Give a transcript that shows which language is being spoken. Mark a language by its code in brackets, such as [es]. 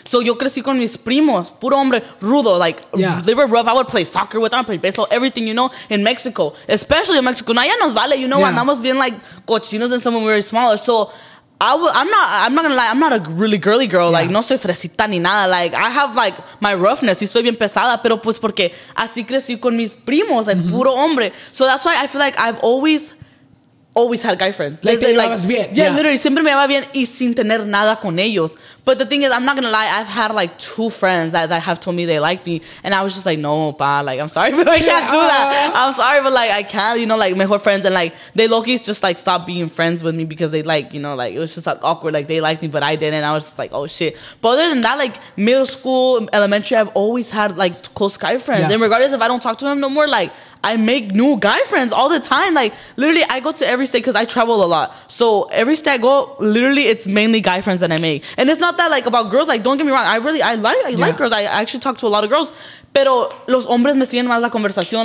[en] So [es] yo crecí con mis primos, puro hombre, rudo, [en] like, they were rough. I would play soccer with them, play baseball, everything, you know, in Mexico. Especially in Mexico. [es] No, ya nos vale, [en] you know, [es] andamos bien, like, cochinos [en] and someone we were smaller. So I'm not gonna lie, I'm not a really girly girl. Yeah. Like, [es] no soy fresita ni nada. [en] Like, I have, like, my roughness. [es] Y soy bien pesada, pero pues porque así crecí con mis primos, like, puro hombre. [en] So that's why I feel like I've always had guy friends. Like, they [es] llevabas bien. Yeah, literally, siempre me llevaba bien y sin tener nada con ellos. [en] But the thing is, I'm not gonna lie, I've had, like, two friends that have told me they like me, and I was just like, [es] no, pa, [en] like, I'm sorry, but I can't do that. I'm sorry, but, like, I can't, you know, like, mejor friends, and, like, they low-key just, like, stopped being friends with me because they, like, you know, like, it was just, like, awkward, like, they liked me, but I didn't, and I was just like, oh, shit. But other than that, like, middle school, elementary, I've always had, like, close guy friends, and regardless if I don't talk to them no more, like, I make new guy friends all the time. Like, literally, I go to every state because I travel a lot. So every state I go, literally, it's mainly guy friends that I make. And it's not that, like, about girls. Like, don't get me wrong. I like girls. I actually talk to a lot of girls. [es] Pero los hombres me siguen más la conversación.